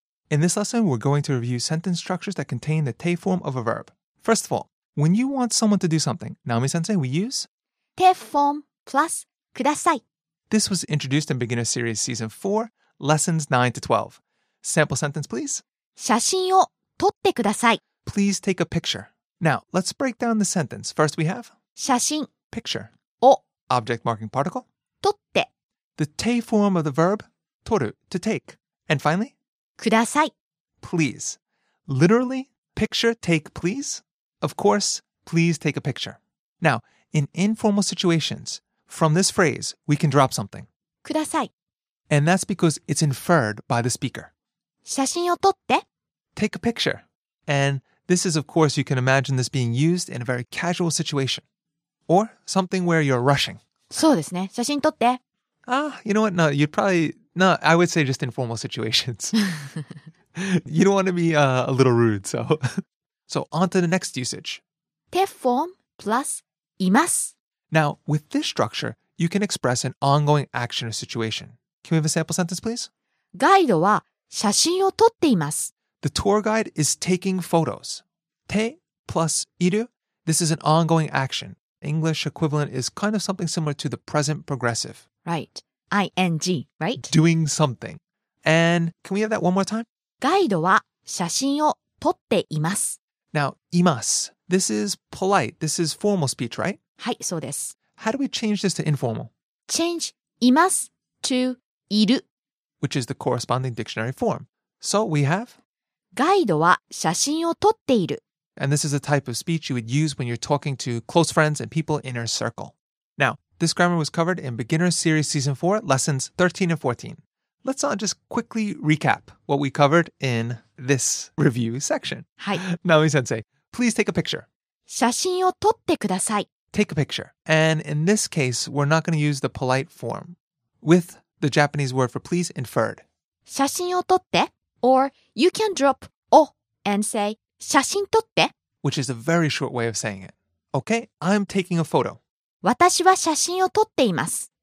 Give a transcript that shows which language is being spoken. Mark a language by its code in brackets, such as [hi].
[en] In this lesson, we're going to review sentence structures that contain the te form of a verb. First of all,When you want someone to do something, Naomi-sensei, we use? Te form plus kudasai. This was introduced in Beginner Series Season 4, Lessons 9 to 12. Sample sentence, please. [ja] 写真を撮ってください。 [en] Please take a picture. Now, let's break down the sentence. First we have? [ja] 写真 [en] Picture. [ja] を [en] Object marking particle. [ja] 撮って [en] The te form of the verb, 撮る, to take. And finally? [ja] ください [en] Please. Literally, picture, take, please. Of course, please take a picture. Now, in informal situations, from this phrase, we can drop something. [ja] ください [en] And that's because it's inferred by the speaker. [ja] 写真を撮って [en] Take a picture. And this is, of course, you can imagine this being used in a very casual situation. Or something where you're rushing. [ja] そうですね。写真撮って [en] You know what? No, you'd probably... No, I would say just informal situations. You don't want to be a little rude, so... So on to the next usage. Te form plus imasu. Now, with this structure, you can express an ongoing action or situation. Can we have a sample sentence, please? [ja] ガイドは写真を撮っています。 [en] The tour guide is taking photos. Te plus iru. This is an ongoing action. English equivalent is kind of something similar to the present progressive. Right. ing, right? Doing something. And can we have that one more time? [ja] ガイドは写真を撮っています。 [en] Now, imasu. This is polite. This is formal speech, right? [ja] はい、そうです。 [en] How do we change this to informal? Change imasu to iru. Which is the corresponding dictionary form. So we have? [ja] ガイドは写真を撮っている。 [en] And this is a type of speech you would use when you're talking to close friends and people in your circle. Now, this grammar was covered in Beginner Series Season 4, Lessons 13 and 14. Let's not just quickly recap what we covered in... This review section. [ja] はい。 [en] Naomi-sensei, please take a picture. [ja] 写真を撮ってください。 [en] Take a picture. And in this case, we're not going to use the polite form with the Japanese word for please inferred. [ja] 写真を撮って [en] or you can drop o and say [ja] 写真撮って [en] which is a very short way of saying it. Okay, I'm taking a photo. [ja] 私は写真を撮っています。